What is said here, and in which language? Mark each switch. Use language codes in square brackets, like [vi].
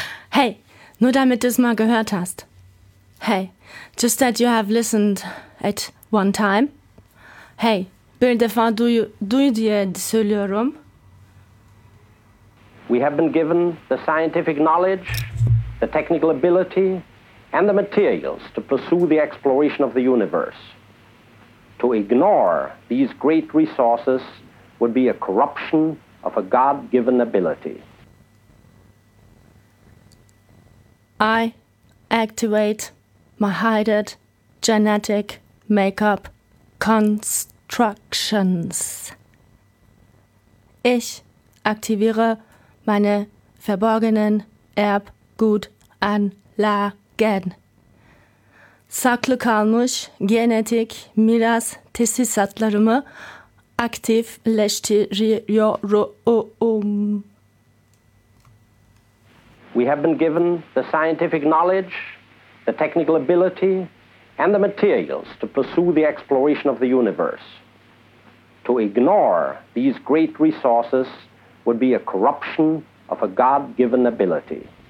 [de] Hey, nur damit du es mal gehört hast. [en] Hey, just that you have listened at one time. [tr] Hey, bir defa duyu diye söylüyorum. [en] We have been given the scientific knowledge, the technical ability, and the materials to pursue the exploration of the universe. To ignore these great resources would be a corruption of a God-given ability. I activate my hided genetic makeup constructions. [de] Ich aktiviere meine verborgenen Erbgutanlagen. [tr] Saklı kalmış genetik miras tesisatlarımı aktifleştiriyorum. [en] We have been given the scientific knowledge, the technical ability, and the materials to pursue the exploration of the universe. To ignore these great resources would be a corruption of a God-given ability.